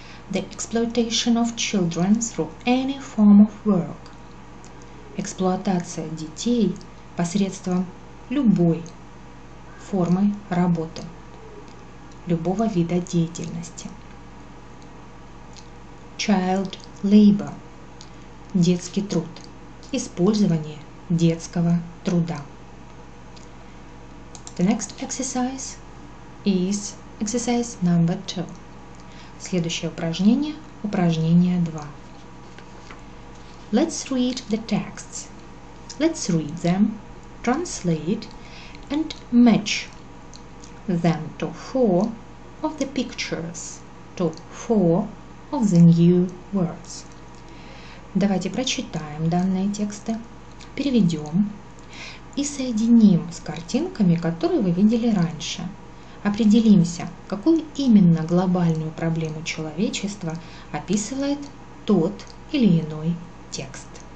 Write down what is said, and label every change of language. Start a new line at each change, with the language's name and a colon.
English: The exploitation of children through any form of work.
Russian: Эксплуатация детей посредством любой формы работы, любого вида деятельности. Child labor – детский труд, использование детского труда.
English: The next exercise is exercise number 2.
Russian: Следующее упражнение – упражнение 2.
English: Let's read the texts. Let's read them, translate and match them to 4 of the pictures, to 4 of the new words.
Russian: Давайте прочитаем данные тексты, переведем и соединим с картинками, которые вы видели раньше. Определимся, какую именно глобальную проблему человечества описывает тот или иной текст.